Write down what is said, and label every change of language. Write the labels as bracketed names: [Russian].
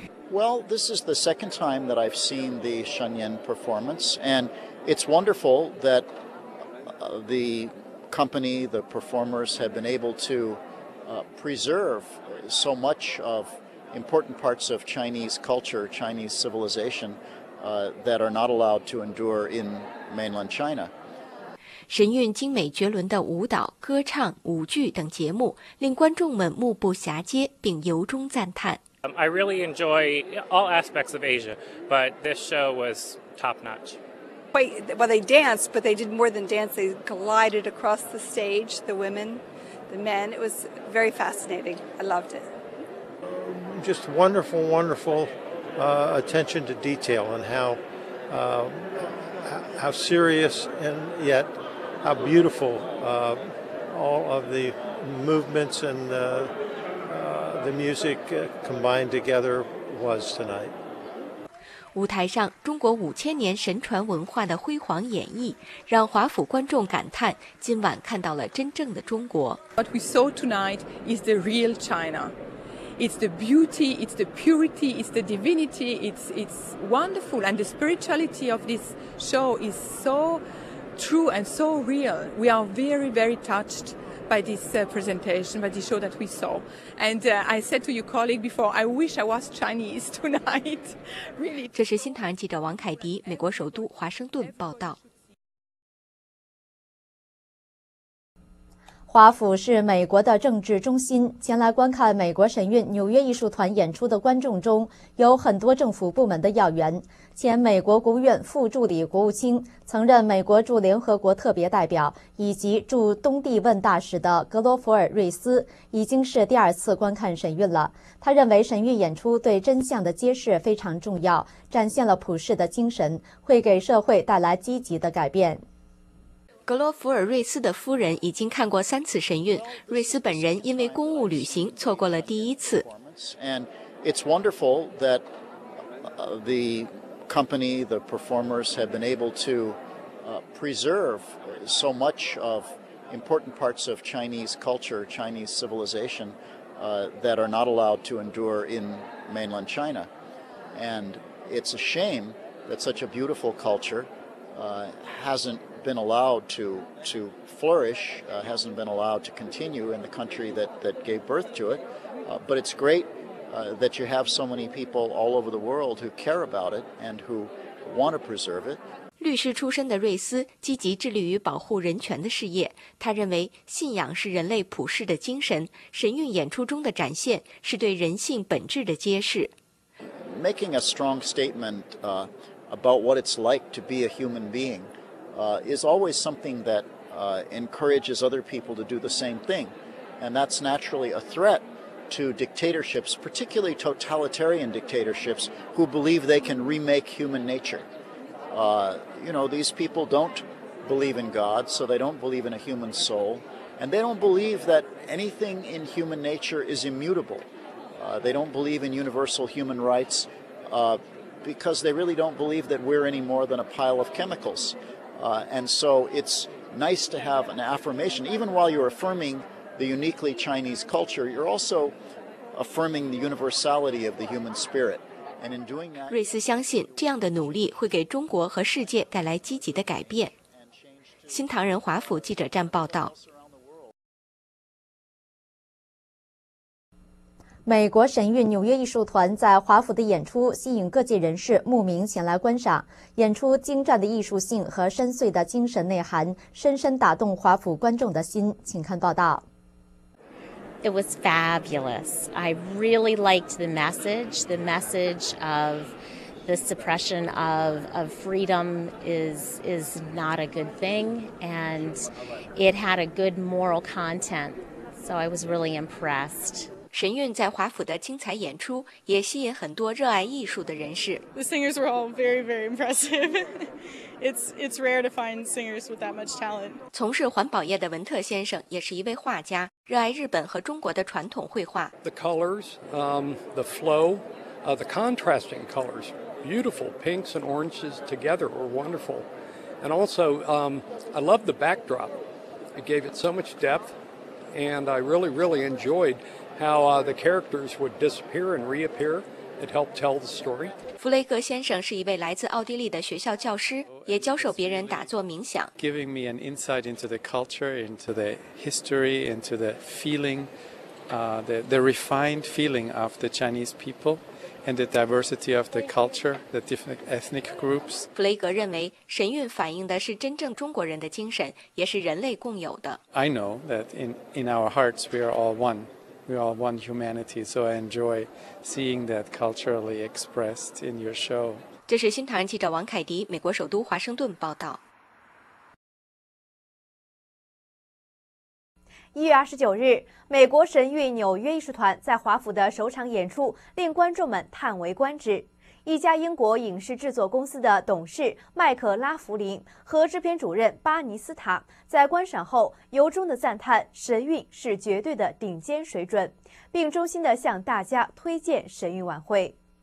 [English] Well, this is the second time that I've seen the Shenyan performance, and it's wonderful that the company, the performers have been able to preserve so much of important parts of Chinese culture, Chinese civilization that are not allowed to endure in mainland China. [Chinese] 神韵精美绝伦的舞蹈、歌唱、舞剧等节目令观众们目不暇接并由衷赞叹。 [English] I really enjoy all aspects of Asia, but this show was top notch. Well, they danced, but they did more than dance. They glided across the stage, the women, the men. It was very fascinating. I loved it. Just wonderful, wonderful attention to detail and how serious and yet how beautiful all of the movements and the music combined together was tonight. [Chinese] 舞台上中国5000年神传文化的辉煌演绎让华府观众感叹今晚看到了真正的中国。 [English] What we saw tonight is the real China. It's the beauty, it's the purity, it's the divinity, it's wonderful. And the spirituality of this show is so true and so real. We are very, very touched. By this presentation, by the show that we saw. And I said to your colleague before, I wish I was Chinese tonight. Really. [Chinese] 这是新唐人记者王凯迪，美国首都华盛顿报道。华府是美国的政治中心，前来观看美国神韵纽约艺术团演出的观众中有很多政府部门的要员。前美国国务院副助理国务卿、曾任美国驻联合国特别代表以及驻东帝汶大使的格罗弗尔·瑞斯已经是第二次观看神韵了。他认为神韵演出对真相的揭示非常重要，展现了普世的精神，会给社会带来积极的改变。格罗弗尔·瑞斯的夫人已经看过三次神韵，瑞斯本人因为公务旅行错过了第一次。 [English] And it's wonderful that the company, the performers have been able to preserve so much of important parts of Chinese culture, Chinese civilization that are not allowed to endure in mainland China. And it's a shame that such a beautiful culture hasn't been allowed to flourish, hasn't been allowed to continue in the country that gave birth to it. But it's great that you have so many people all over the world who care about it and who want to preserve it. [Chinese] 律师出身的瑞斯积极致力于保护人权的事业，他认为信仰是人类普世的精神，神韵演出中的展现是对人性本质的揭示。 [English] Making a strong statement about what it's like to be a human being is always something that encourages other people to do the same thing, and that's naturally a threat to dictatorships, particularly totalitarian dictatorships, who believe they can remake human natureThese people don't believe in God, so they don't believe in a human soul, and they don't believe that anything in human nature is immutable. They don't believe in universal human rights, because they really don't believe that we're any more than a pile of chemicals. And so it's nice to have an affirmation. Even while you're affirming the uniquely Chinese culture, you're also affirming the universality of the human spirit. [Chinese] 瑞斯相信这样的努力会给中国和世界带来积极的改变。新唐人华府记者站报道。美国神韵纽约艺术团在华府的演出吸引各界人士慕名前来观赏，演出精湛的艺术性和深邃的精神内涵深深打动华府观众的心，请看报道。 [English] It was fabulous. I really liked the message of the suppression of freedom is not a good thing, and it had a good moral content. So I was really impressed. [Chinese] 神韵在华府的精彩演出也吸引很多热爱艺术的人士。 [English] The singers were all very, very impressive. It's rare to find singers with that much talent. [Chinese] 从事环保业的文特先生也是一位画家，热爱日本和中国的传统绘画。 [English] The colors, the flow, the contrasting colors, beautiful pinks and oranges together were wonderful. And also, I loved the backdrop. It gave it so much depth, and I really, really enjoyed how the characters would disappear and reappear. It helped tell the story. [Chinese] 弗雷格先生是一位来自奥地利的学校教师，也教授别人打坐冥想。 [English] Giving me an insight into the culture, into the history, into the feeling, the refined feeling of the Chinese people, and the diversity of the culture, the different ethnic groups. [Chinese] 弗雷格认为，神韵反映的是真正中国人的精神，也是人类共有的。 [English] I know that in our hearts we are all one. We are one humanity, so I enjoy seeing that culturally expressed in your show. [Chinese] 这是新唐人记者王凯迪，美国首都华盛顿报道。 1月29日，美国神韵纽约艺术团在华府的首场演出令观众们叹为观止。一家英国影视制作公司的董事麦克拉弗林和制片主任巴尼斯塔在观赏后由衷地赞叹神韵是绝对的顶尖水准，并衷心地向大家推荐神韵晚会。